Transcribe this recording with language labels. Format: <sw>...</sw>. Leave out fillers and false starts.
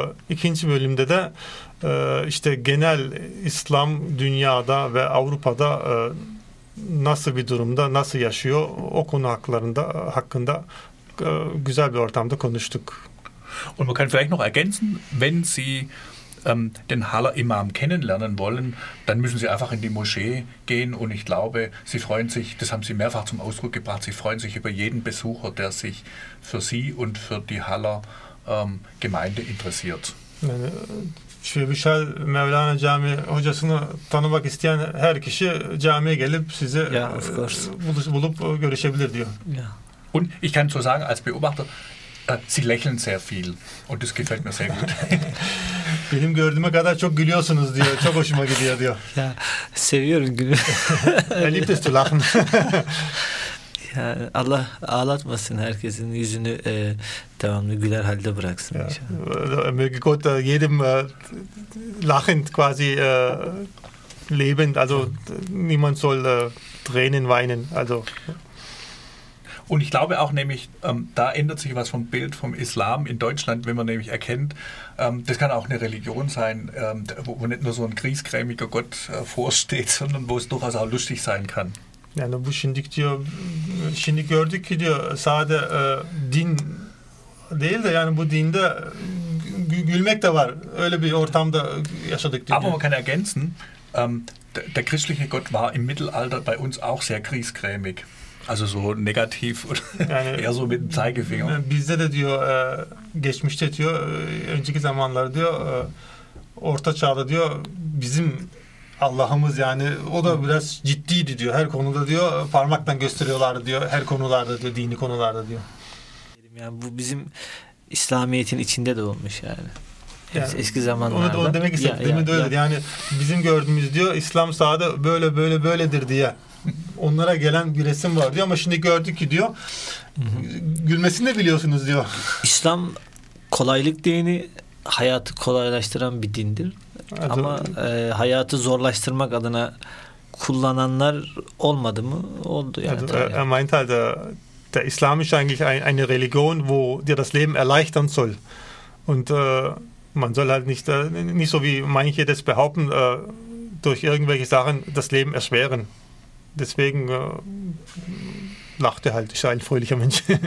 <tr>İkinci bölümde de işte genel İslam dünyada ve Avrupa'da nasıl bir durumda, nasıl yaşıyor o konu hakkında güzel bir ortamda konuştuk.</tr> <de>Und man kann vielleicht noch ergänzen, wenn Sie den Haller Imam kennenlernen wollen, dann müssen Sie einfach in die Moschee gehen, und ich glaube, Sie freuen sich, das haben Sie mehrfach zum Ausdruck gebracht, Sie freuen sich über jeden Besucher, der sich für Sie und für die Haller Gemeinde interessiert.</de> <tr>Şevişal Mevlana Cami hocasını tanımak isteyen her kişi camiye gelip sizi bulup görüşebilir diyor.</tr> <de>Und ich kann so sagen, als Beobachter, Sie lächeln sehr viel, und das gefällt mir sehr gut.</de> <tr>Benim gördüğüme kadar çok gülüyorsunuz diyor. Çok hoşuma gidiyor diyor. Ja, seviyorum gülüyor.</tr> <de>Liebt es zu lachen.</de> <tr>Ya, Allah ağlatmasın herkesin yüzünü devamlı güler halde bıraksın.</tr> <de>Möge Gott jedem lachend quasi leben. Also niemand soll Tränen weinen. Also. Und ich glaube auch nämlich, da ändert sich was vom Bild vom Islam in Deutschland, wenn man nämlich erkennt, das kann auch eine Religion sein, wo nicht nur so ein griesgrämiger Gott vorsteht, sondern wo es durchaus auch lustig sein kann.</de> <tr>Yani bu şimdik diyor, şimdi gördük ki diyor, sade din değil de yani bu dinde gülmek de var. Öyle bir ortamda yaşadık diyor.</tr> <de>Aber man kann ergänzen, der christliche Gott war im Mittelalter bei uns auch sehr griesgrämig. Also so negativ oder eher so mit dem Zeigefinger.</de> <tr>Bizde de diyor, geçmişte diyor, önceki zamanlar diyor, orta çağda diyor, bizim Allah'ımız yani, o da biraz ciddiydi diyor, her konuda diyor, parmaktan gösteriyorlardı diyor, her konularda diyor, dini konularda diyor. Yani bu bizim İslamiyet'in içinde de olmuş yani. Yani, eski zamanlarda. Onu, onu demek istedim, demin de öyle. Yani bizim gördüğümüz diyor, İslam sahada böyle böyle böyledir diye. Onlara gelen bir resim var diyor, ama şimdi gördük ki diyor, gülmesini de biliyorsunuz diyor. İslam kolaylık dini, hayatı kolaylaştıran bir dindir. Hadi. Ama hayatı zorlaştırmak adına kullananlar olmadı mı? Oldu yani.</tr> <de>Er meint halt, der Islam ist eigentlich eine Religion, wo dir das Leben erleichtern soll. Und man soll halt nicht so wie manche das behaupten, durch irgendwelche Sachen das Leben erschweren. Deswegen lachte halt, ich sei ein fröhlicher Mensch.</de>